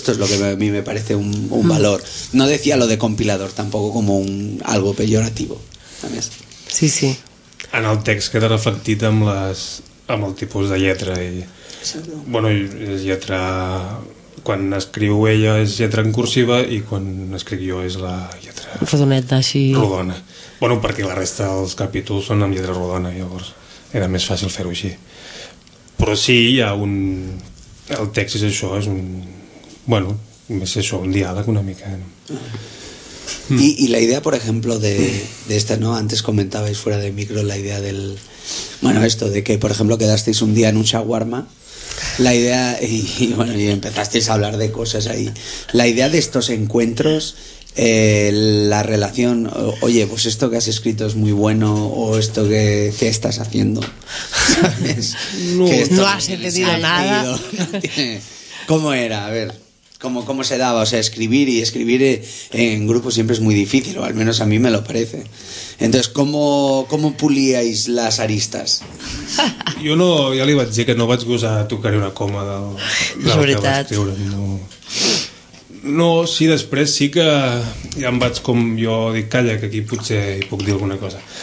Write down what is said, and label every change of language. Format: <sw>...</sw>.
<es>Esto es lo que a mí me parece un valor. No decía lo de compilador tampoco como algo peyorativo. ¿Sabes? Sí, sí.</es> <ca>En el text queda reflectit amb el tipus de lletra. I, bueno, és lletra... Quan escriu ella és lletra en cursiva i quan escric jo és la lletra rodoneta, així... rodona. Bueno, perquè la resta dels capítols són amb lletra rodona, llavors era més fàcil fer-ho així. Però sí, hi ha un... El text és això, és un... bueno,</ca> <es>es eso,</es> <ca>un diàleg una mica.</ca> <es>Y la idea, por ejemplo, de esta, ¿no? Antes comentabais fuera de micro la idea del... Bueno, esto, de que, por ejemplo, quedasteis un día en un shawarma. La idea, y bueno, y empezasteis a hablar de cosas ahí. La idea de estos encuentros, la relación, oye, pues esto que has escrito es muy bueno, o esto que estás haciendo, ¿sabes? No, que esto no has entendido nada. ¿Cómo era? A ver, ¿cómo se daba? O sea, escribir y escribir en grupo siempre es muy difícil, o al menos a mí me lo parece. Entonces, ¿cómo pulíais las aristas?</es> <ca>Jo no, ja li vaig dir que no vaig gosar tocar-hi una coma del que va escriure. No, sí, després sí que ja em vaig com jo dic, calla, que aquí potser hi puc dir alguna cosa.</ca>